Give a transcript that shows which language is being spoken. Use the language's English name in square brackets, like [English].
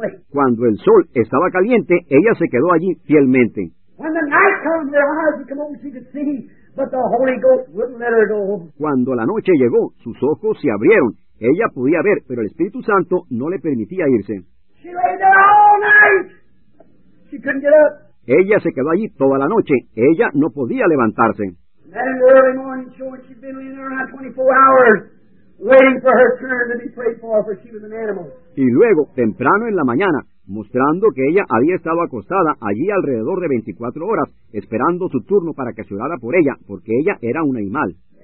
[Spanish] Cuando el sol estaba caliente, ella se quedó allí fielmente. [English] When the night comes, her eyes would come open, she could see, but the Holy Ghost wouldn't let her go. [Spanish] Cuando la noche llegó, sus ojos se abrieron. Ella podía ver, pero el Espíritu Santo no le permitía irse. [English] She lay there all night. She couldn't get up. [Spanish] Ella se quedó allí toda la noche. Ella no podía levantarse. [English] That early morning show, and she'd been laying there around 24 hours. Waiting for her turn to be prayed for she was an animal. [Spanish] Y luego, temprano en la mañana, mostrando que ella había estado acostada allí alrededor de 24 horas, esperando su turno para que se orara por ella, porque ella era un animal.